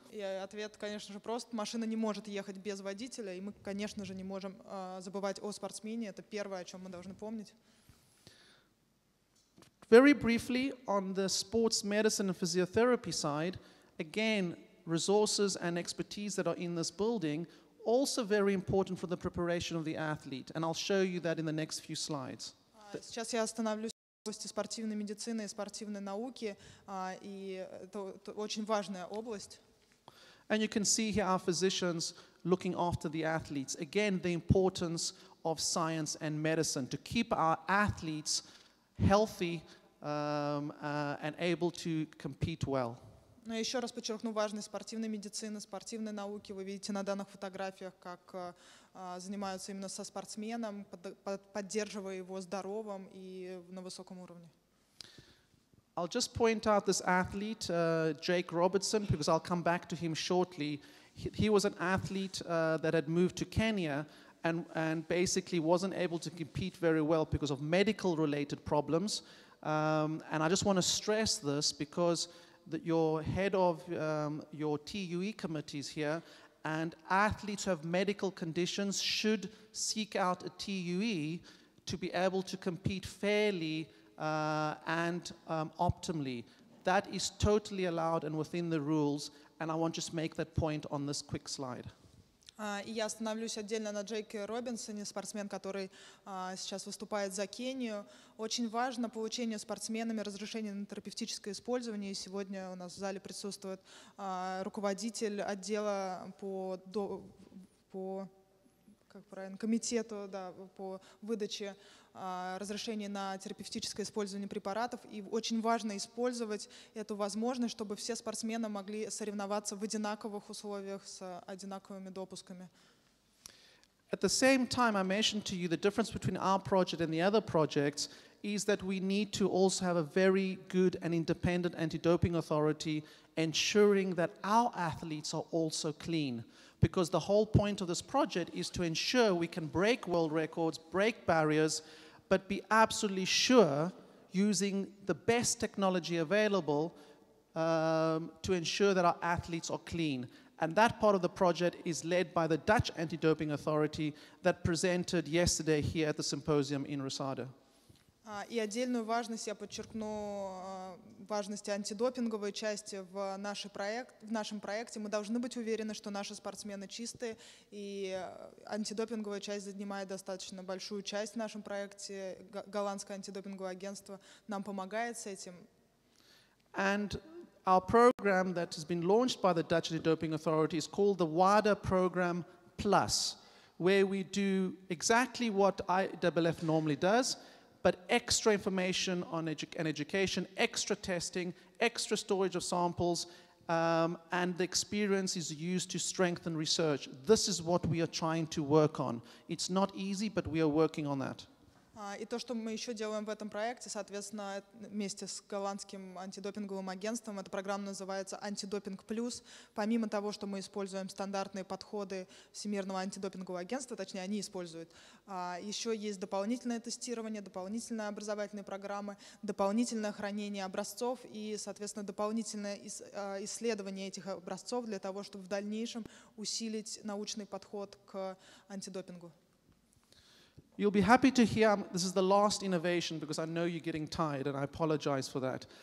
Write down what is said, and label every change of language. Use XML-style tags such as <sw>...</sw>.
<ru>Ответ, конечно же, прост. Машина не может ехать без водителя, и мы, конечно же, не можем забывать о спортсмене. Это первое, о чем мы должны помнить.</ru> <en>Very briefly, on the sports medicine and physiotherapy side, again, resources and expertise that are in this building also very important for the preparation of the athlete. And I'll show you that in the next few slides.</en> <ru>Сейчас я остановлюсь. Области спортивной медицины и спортивной науки, и это очень важная область.</ru> <en>And you can see here our physicians looking after the athletes. Again, the importance of science and medicine to keep our athletes healthy and able to compete well.</en> <ru>Но еще раз подчеркну важность спортивной медицины, спортивной науки. Вы видите на данных фотографиях, как занимаются именно со спортсменом, поддерживая его здоровым и на высоком уровне.</ru> <en>I'll just point out this athlete, Jake Robertson, because I'll come back to him shortly. He was an athlete that had moved to Kenya and basically wasn't able to compete very well because of medical related problems. And I just want to stress this because that your head of your TUE committee is here, and athletes who have medical conditions should seek out a TUE to be able to compete fairly and optimally. That is totally allowed and within the rules, and I want to just make that point on this quick slide.</en> <ru>И я остановлюсь отдельно на Джейке Робинсоне, спортсмен, который сейчас выступает за Кению. Очень важно получение спортсменами разрешения на терапевтическое использование. И сегодня у нас в зале присутствует руководитель отдела по выдаче разрешения на терапевтическое использование препаратов. И очень важно использовать эту возможность, чтобы все спортсмены могли соревноваться в одинаковых условиях с одинаковыми допусками.</ru> <en>At the same time, I mentioned to you the difference between our project and the other projects is that we need to also have a very good and independent anti-doping authority ensuring that our athletes are also clean. Because the whole point of this project is to ensure we can break world records, break barriers, but be absolutely sure, using the best technology available, to ensure that our athletes are clean. And that part of the project is led by the Dutch Anti-Doping Authority that presented yesterday here at the symposium in Rosada.</en> <ru>И отдельную важность я подчеркну, важность антидопинговой части в нашем проекте. Мы должны быть уверены, что наши спортсмены чистые, и антидопинговая часть занимает достаточно большую часть в нашем проекте. Голландское антидопинговое агентство нам помогает с этим.</ru> <en>And our program that has been launched by the Dutch Anti-Doping Authority is called the WADA Program Plus, where we do exactly what IAAF normally does, but extra information on education, extra testing, extra storage of samples, and the experience is used to strengthen research. This is what we are trying to work on. It's not easy, but we are working on that.</en> <ru>И то, что мы еще делаем в этом проекте, соответственно, вместе с голландским антидопинговым агентством, эта программа называется «Антидопинг плюс». Помимо того, что мы используем стандартные подходы Всемирного антидопингового агентства, точнее, они используют, еще есть дополнительное тестирование, дополнительные образовательные программы, дополнительное хранение образцов и, соответственно, дополнительное исследование этих образцов для того, чтобы в дальнейшем усилить научный подход к антидопингу.</ru> <en>You'll be happy to hear, this is the last innovation because I know you're getting tired and I apologize for that.</en>